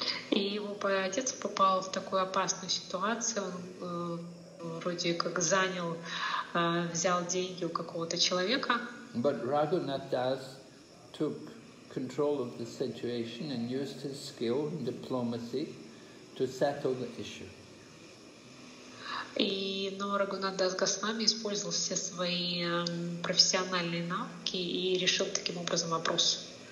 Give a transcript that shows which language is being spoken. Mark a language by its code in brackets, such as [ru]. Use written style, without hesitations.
[ru] И его отец попал в такую опасную ситуацию. Он вроде как занял, взял деньги у какого-то человека. [en] But Raghunath Das took control of the situation and used his skill in diplomacy to settle the issue. [ru] Но Рагунат Дас Госвами использовал все свои профессиональные навыки и решил таким образом вопрос.